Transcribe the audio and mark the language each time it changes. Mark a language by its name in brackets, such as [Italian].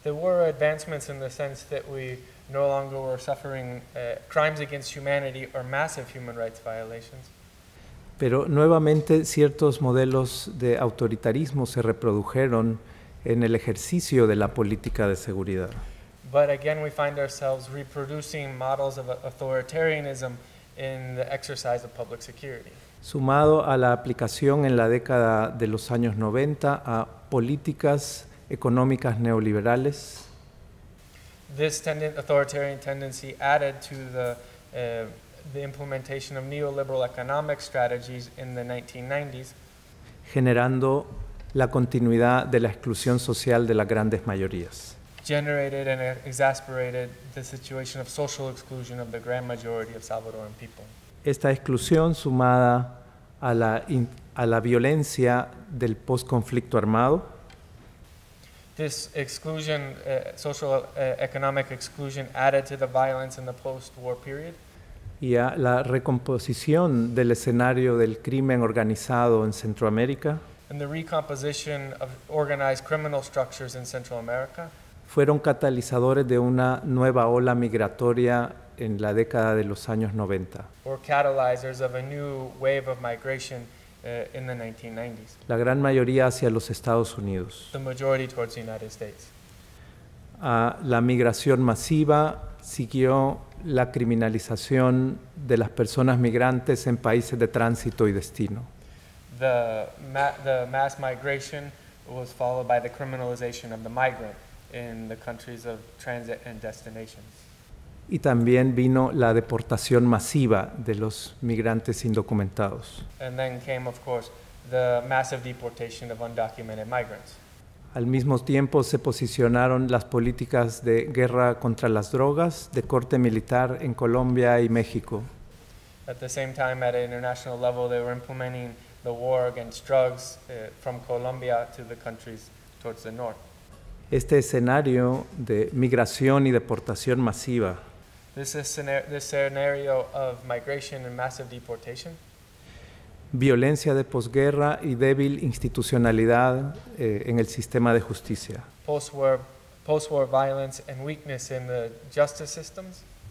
[English] There were advancements in the sense that we no longer were suffering crimes against humanity or massive human rights violations. [Spanish] Pero nuevamente ciertos modelos de autoritarismo se reprodujeron en el ejercicio de la política de seguridad. [English] But again we find ourselves reproducing models of authoritarianism in the exercise of public security. [Spanish] Sumado a la aplicación en la década de los años 90 a políticas económicas neoliberales. [English] this authoritarian tendency added to the implementation of neoliberal economic strategies in the 1990s. [Spanish] Generando la continuidad de la exclusión social de las grandes mayorías. [English] Generated and exasperated the situation of social exclusion of the grand majority of Salvadoran people. [Spanish] Esta exclusión sumada a la violencia del post-conflicto armado. [English] This exclusion, social economic exclusion added to the violence in the post-war period. [Spanish] Y a la recomposición del escenario del crimen organizado en Centroamérica. [English] And the recomposition of organized criminal structures in Central America. [Spanish] Fueron catalizadores de una nueva ola migratoria en la década de los años 90. [English] Were catalyzers of a new wave of migration in the 1990s. [Spanish] La gran mayoría hacia los Estados Unidos. [English] The majority towards the United States. [Spanish] La migración masiva siguió la criminalización de las personas migrantes en países de tránsito y destino. [English] The mass migration was followed by the criminalization of the migrant in the countries of transit and destinations. [Spanish] Y también vino la deportación masiva de los migrantes indocumentados. [English] And then came, of course, the massive deportation of undocumented migrants. [Spanish] Al mismo tiempo se posicionaron las políticas de guerra contra las drogas de corte militar en Colombia y México. [English] At the same time, at an international level, they were implementing the war against drugs from Colombia to the countries towards the north. [Spanish] Este escenario de migración y deportación masiva. [English] This scenario of migration and massive deportation. [Spanish] Violencia de posguerra y débil institucionalidad en el sistema de justicia. [English] Post-war violence and weakness in the justice systems.